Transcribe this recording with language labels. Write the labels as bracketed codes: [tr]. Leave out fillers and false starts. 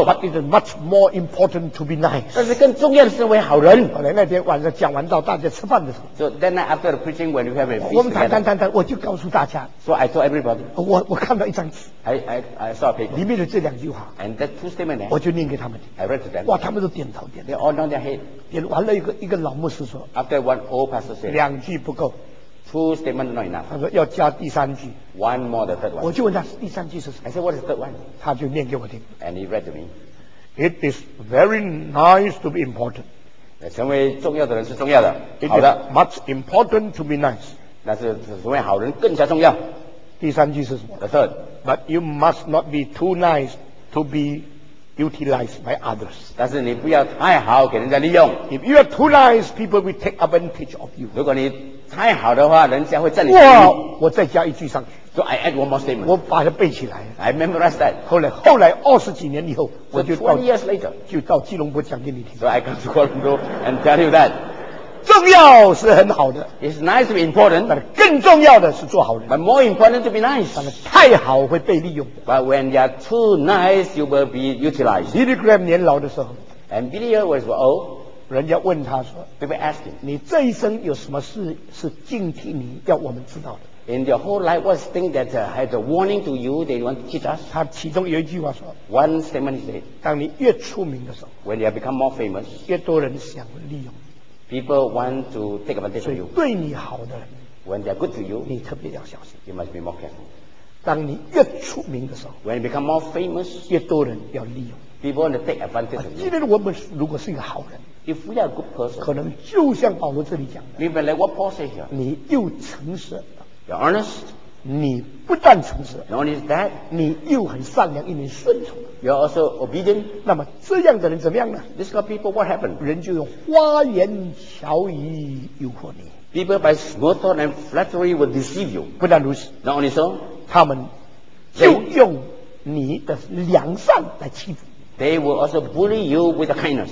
[en] ，But it is much more important to be nice。 [zh] 但是更重要的是成为好人。后来那天晚上讲完到大家吃饭的时候 [en] ，So that night after the preaching when we have a feast， [zh] 我们谈，我就告诉大家 [en] ，So I told everybody， [zh] 我看到一张纸 [en] ，I saw a paper， [zh] 里面的这两句话 [en] ，And that two statement， [zh] 我就念给他们 [en] ，I read to them， [zh] 哇，他们都点头 [en] ，They all nod their head。 [zh] 点完了一个老牧师说 [en] ，After one old pastor said， [zh] 两句不够 [en] ，Two statement not enough。 [zh] 他说要加第三句 [en] ，One more the third one。 [zh] 我就问他第三句是什么 [en] ，I said what is the third one？ [zh] 他就念给我听 [en] ，And he read to me。 It is very nice to be important。 [zh] 成为重要的人是重要的， [en] It、 [zh] 好的 [en] ，Much important to be nice。 [zh] 那是成为好人更加重要。第三句是什么 [en] ？The third。 But you must not be too nice to be。 Utilized by others. [zh] 但是你不要太好给人家利用。 [en] If you are too nice, people will take advantage of you. [zh] 如果你太好的话，人家会占你便宜。我再加一句上去。 [en] So I add one more statement. [zh] 我把它背起来。 [en] I memorize that. [zh] 后来二十几年以后，我就到。 [en] 20 years later. [zh] 就到吉隆坡讲给你听。 [en] So I come to Kuala Lumpur and tell you that. [zh] 重要是很好的。 [en] It's nice to be important. [zh] 但更重要的是做好人。 [en] But more important to be nice. [zh] 但太好会被利用。 [en] But when you're too nice, you will be utilized. [zh] Billy Graham 年老的时候。 [en] And Billy Graham was old. [zh] 人家问他说。 [en] People asked him. [zh] 你这一生有什么事是警惕你要我们知道的。 [en] In your whole life, what's thing that has a warning to you that you want to teach us? [zh] 他其中有一句话说。 [en] One statement he said. [zh] 当你越出名的时候。 [en] When you become more famous. [zh] 越多人想利用。 [en] people want to take advantage of you. [zh] 对你好的人 [en] when they're good to you, [zh] 你特别要小心。 [en] You must be more careful. [zh] 当你越出名的时候 [en] when you become more famous, [zh] 越多人要利用。 [en] People want to take advantage of you. [zh] 今天我们如果是一个好人 [en] if we are a good person, [zh] 可能就像保罗这里讲的 [en] maybe like what Paul said here, [zh] 你又诚实 [en] you're honest, [zh] 你不但诚实 [en] not only is that, [zh] 你又很善良又很顺从 [en] you're also obedient [zh] 那么这样的人怎么样呢 [en] this kind of people what happened [zh] 人就用花言巧语诱惑你 [en] people by small thought and flattery will deceive you [zh] 不但如此 [en] not only so [zh] 他们就用你的良善来欺负 [en] they will also bully you with the kindness